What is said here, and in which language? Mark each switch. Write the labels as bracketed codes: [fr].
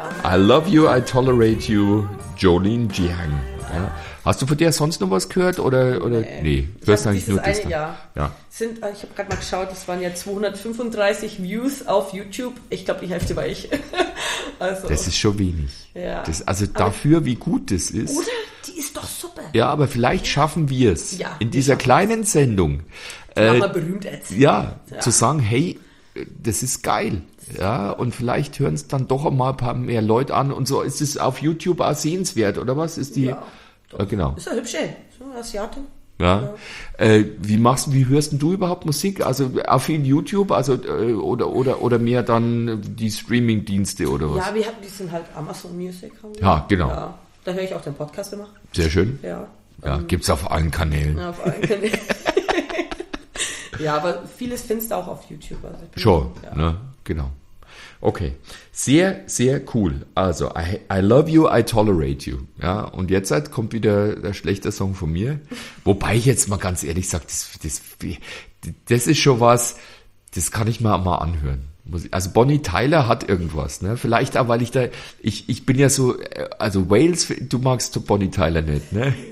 [en] I love you, I tolerate you. [de] Jolene Jiang. Ja. Hast du von der sonst noch was gehört? Oder? Nee, hörst du eigentlich nur das? Ja. Ich habe gerade mal geschaut, es waren ja 235 Views auf YouTube. Ich glaube, die Hälfte war ich. Also, das ist schon wenig. Ja. Dafür, wie gut das ist. Oder? Die ist doch super. Ja, aber vielleicht schaffen wir es ja, in dieser kleinen Sendung. Mal berühmt erzählen. Ja, zu sagen, hey, das ist geil. Ja, und vielleicht hören es dann doch mal ein paar mehr Leute an. Und so ist es auf YouTube auch sehenswert, oder was? Ist die? Ja. Genau. Ist ja hübsch, so Asiatin. Ja. Ja. Wie hörst denn du überhaupt Musik? Also auf YouTube, also oder mehr dann die Streaming-Dienste oder was? Ja, wir haben die sind halt Amazon Music. Ja, genau. Ja. Da höre ich auch den Podcast immer. Sehr schön. Ja. Ja, gibt's auf allen Kanälen. Auf allen Kanälen. Ja, aber vieles findest du auch auf YouTube. Also sure. Ja. Ne? Genau. Okay, sehr, sehr cool. Also, [en] I love you, I tolerate you. [de] Ja, und jetzt kommt wieder der schlechte Song von mir. Wobei ich jetzt mal ganz ehrlich sage, das ist schon was, das kann ich mir auch mal anhören. Also Bonnie Tyler hat irgendwas, ne? Vielleicht auch, weil ich da, ich bin ja so, also Wales, du magst Bonnie Tyler nicht, ne?